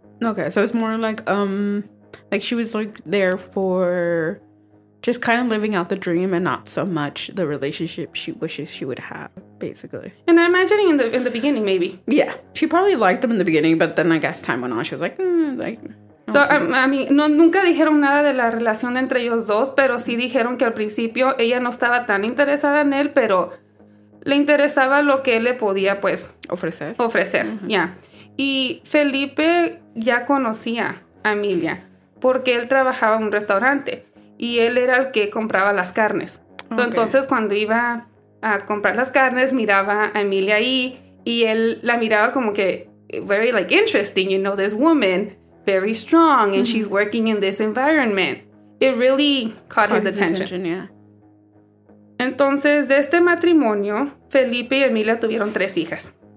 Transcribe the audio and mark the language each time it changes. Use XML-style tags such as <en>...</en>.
<en>Okay. So it's more like she was like there for just kind of living out the dream and not so much the relationship she wishes she would have, basically. And I'm imagining in the beginning, maybe. Yeah. She probably liked them in the beginning, but then I guess time went on. She was like,</en> <es>So, nunca dijeron nada de la relación entre ellos dos, pero sí dijeron que al principio ella no estaba tan interesada en él, pero le interesaba lo que él le podía, pues... Ofrecer, ya. Y Felipe ya conocía a Emilia porque él trabajaba en un restaurante y él era el que compraba las carnes. Okay. Entonces, cuando iba a comprar las carnes, miraba a Emilia ahí y él la miraba como que, very, like, interesting, you know, this woman...</es> <en>very strong, and she's working in this environment. It really caught his attention. Yeah.</en> <es>Entonces, de este matrimonio, Felipe y Emilia tuvieron 3 hijas.</es>